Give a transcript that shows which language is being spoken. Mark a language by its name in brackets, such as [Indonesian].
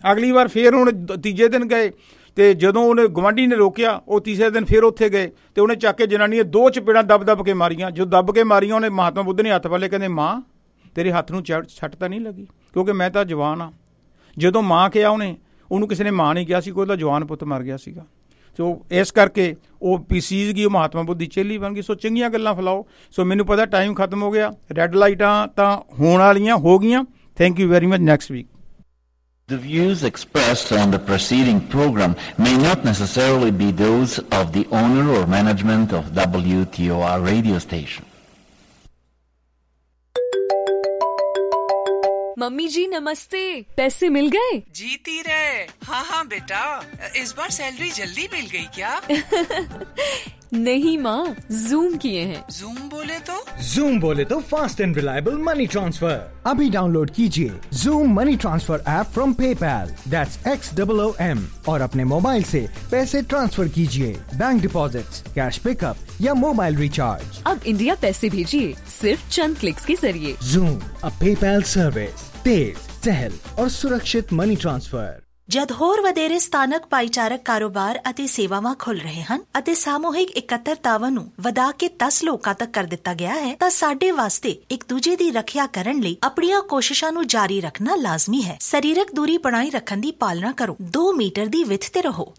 [Punjabi] ਅਗਲੀ ਵਾਰ ਫਿਰ ਹੁਣ ਤੀਜੇ ਦਿਨ ਗਏ ਅਤੇ ਜਦੋਂ ਉਹਨੇ ਗੁਆਂਢੀ ਨੇ ਰੋਕਿਆ, ਉਹ ਤੀਸਰੇ ਦਿਨ ਫਿਰ ਉੱਥੇ ਗਏ ਅਤੇ ਉਹਨੇ ਚੱਕ ਕੇ ਜਨਾਨੀਆਂ ਦੋ ਚਪੇੜਾਂ ਦੱਬ ਦੱਬ ਕੇ ਮਾਰੀਆਂ, ਜੋ ਦੱਬ ਕੇ ਮਾਰੀਆਂ ਉਹਨੇ ਮਹਾਤਮਾ ਬੁੱਧ ਨੇ ਹੱਥ ਵਾਲੇ, ਕਹਿੰਦੇ ਮਾਂ ਤੇਰੇ ਹੱਥ ਨੂੰ ਛੱਟ ਤਾਂ ਨਹੀਂ ਲੱਗੀ, ਕਿਉਂਕਿ ਮੈਂ ਤਾਂ ਜਵਾਨ ਹਾਂ। ਜਦੋਂ ਮਾਂ ਕਿਹਾ ਉਹਨੇ, ਉਹਨੂੰ ਕਿਸੇ ਨੇ ਮਾਂ ਨਹੀਂ ਕਿਹਾ ਸੀ, ਉਹਦਾ ਜਵਾਨ ਪੁੱਤ ਮਰ ਗਿਆ ਸੀਗਾ, ਸੋ ਇਸ ਕਰਕੇ ਉਹ ਪੀਸੀਸ ਗਈ, ਉਹ ਮਹਾਤਮਾ ਬੁੱਧ ਦੀ ਚੇਲੀ ਬਣ ਗਈ। ਸੋ ਚੰਗੀਆਂ ਗੱਲਾਂ ਫੈਲਾਓ। ਸੋ ਮੈਨੂੰ ਪਤਾ ਟਾਈਮ ਖਤਮ ਹੋ ਗਿਆ, ਰੈੱਡ ਲਾਈਟਾਂ ਤਾਂ ਹੋਣ ਵਾਲੀਆਂ ਹੋ ਗਈਆਂ। Thank you very much. Next week [English] The views expressed on the preceding program may not necessarily be those of the owner or management of WTOR radio station. [Hindi] Mummy जी नमस्ते, पैसे मिल गए? जीती रहे। हाँ हाँ बेटा, इस बार सैलरी जल्दी मिल गई क्या? नहीं माँ, जूम किए हैं। जूम बोले तो? जूम बोले तो [English] Fast and reliable money transfer. [Hindi] अभी डाउनलोड कीजिए zoom money transfer app from PayPal, that's XOOM, और अपने मोबाइल से पैसे ट्रांसफर कीजिए, बैंक डिपॉजिट्स, कैश पिकअप या मोबाइल रिचार्ज। अब इंडिया पैसे भेजिए सिर्फ चंद क्लिक्स के जरिए। जूम, अब PayPal सर्विस, तेज, सहल और सुरक्षित मनी ट्रांसफर। [Punjabi] ਜਦ ਹੋਰ ਵਧੇਰੇ ਸਥਾਨਕ ਭਾਈਚਾਰਕ ਕਾਰੋਬਾਰ ਅਤੇ ਸੇਵਾਵਾਂ ਖੁੱਲ ਰਹੇ ਹਨ ਅਤੇ ਸਮੂਹਿਕ ਇਕੱਤਰਤਾਵਾਂ ਨੂੰ ਵਧਾ ਕੇ 10 ਲੋਕਾਂ ਤੱਕ ਕਰ ਦਿੱਤਾ ਗਿਆ ਹੈ, ਤਾਂ ਸਾਡੇ ਵਾਸਤੇ ਇੱਕ ਦੂਜੇ ਦੀ ਰੱਖਿਆ ਕਰਨ ਲਈ ਆਪਣੀਆਂ ਕੋਸ਼ਿਸ਼ਾਂ ਨੂੰ ਜਾਰੀ ਰੱਖਣਾ ਲਾਜ਼ਮੀ ਹੈ। ਸਰੀਰਕ ਦੂਰੀ ਬਣਾਈ ਰੱਖਣ ਦੀ ਪਾਲਣਾ ਕਰੋ, 2 ਮੀਟਰ ਦੀ ਵਿੱਥ ਤੇ ਰਹੋ।